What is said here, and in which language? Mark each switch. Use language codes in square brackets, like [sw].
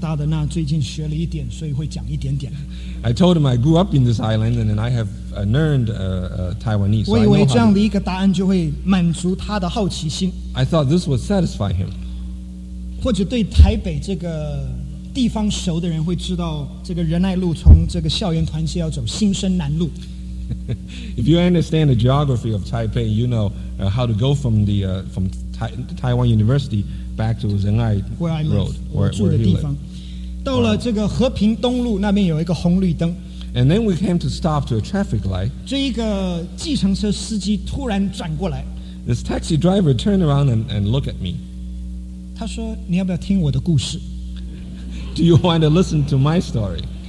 [zh] 那我就说，哎，我是台湾长大的，那最近学了一点，所以会讲一点点。I [en] told him I grew up in this island and I have learned Taiwanese. [zh] 我以为这样的一个答案就会满足他的好奇心。I [en] thought this would satisfy him. [zh] 或者对台北这个 地方熟的人会知道这个仁爱路从这个校园团契要走新生南路。 [en] If you understand the geography of Taipei, you know how to go from the from Taiwan University back to 仁爱 Road, where I live, [zh] 我住的地方。到了这个和平东路，那边有一个红绿灯。 [en] And then we came to stop to a traffic light. [zh] 这一个计程车司机突然转过来。 [en] This taxi driver turned around and looked at me. [zh] 他说，你要不要听我的故事？ [en] Do you want to listen to my story?